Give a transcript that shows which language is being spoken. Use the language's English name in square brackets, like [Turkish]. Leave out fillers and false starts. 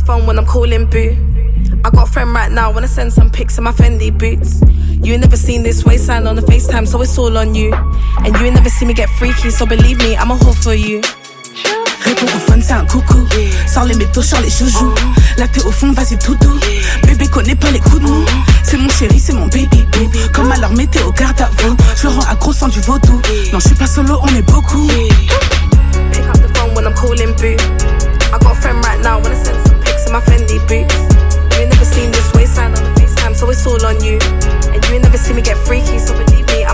[English] When I'm calling boo, I got a friend right now. Wanna send some pics in my Fendi boots. You ain't never seen this waistline on the FaceTime, so it's all on you. And you ain't never seen me get freaky, so believe me, I'm a whore for you. [French] Réponds au fun, c'est un coucou. Sors les métaux, sors les joujoux. La tête au fond, vas-y toutou. Bébé connaît pas les coups de mou. C'est mon chéri, c'est mon baby boo. Comme alors mettez au garde à vous. Je rends accro sans du vaudou. Non, je suis pas solo, on est beaucoup. [English] Pick up the phone when I'm calling boo. I got a friend right now. Wanna send some my Fendi boots. You ain't never seen this waistline on the FaceTime, so it's all on you. And you ain't never seen me get freaky, so believe me.